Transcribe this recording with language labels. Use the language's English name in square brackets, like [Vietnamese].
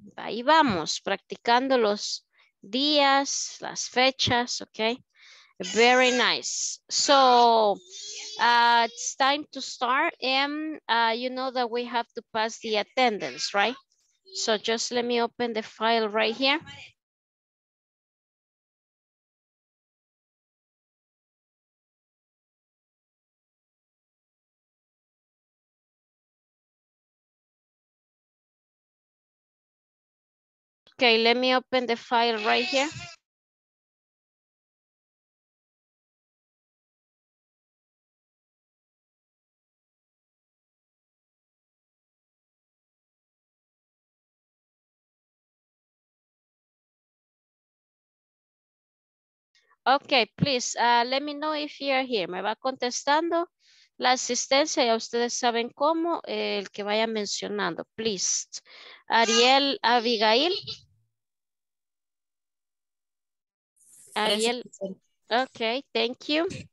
[Spanish] Ahí vamos, practicando los días, las fechas, okay? [English] Very nice. So, it's time to start. And you know that we have to pass the attendance, right? So just let me open the file right here. Okay, let me open the file right here. Okay, please, let me know if you're here. [Spanish] Me va contestando la asistencia, ya ustedes saben cómo, el que vaya mencionando, please. [English] Ariel Abigail. Ariel, okay, thank you.